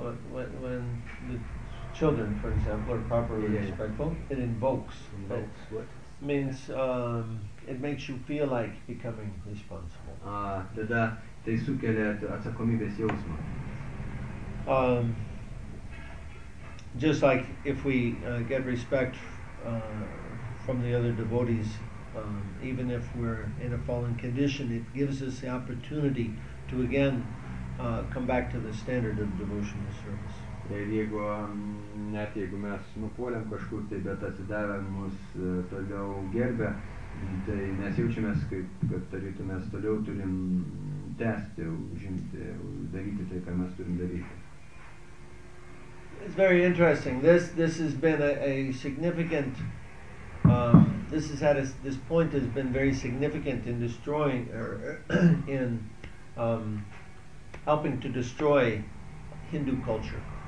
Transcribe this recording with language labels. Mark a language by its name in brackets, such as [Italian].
[English] when the children, for example, are properly respectful, it invokes what? Means it makes you feel like becoming responsible. [Lithuanian] Tada tai sukelia atsakomybės jausmą. [English] Just like if we get respect from the other devotees, even if we're in a fallen condition, it gives us the opportunity to again come back to the standard of devotional service. [Lithuanian] Ir jeigu, net jeigu mes nupuolėm kažkur, tai bet atsidavę mus toliau gerbia, tai mes jaučiamės, kaip, kad tarytų mes toliau turim tęsti, žinti, daryti tai, ką mes turim daryti. [English] It's very interesting. This has been a significant, this point has been very significant in destroying, or in helping to destroy Hindu culture.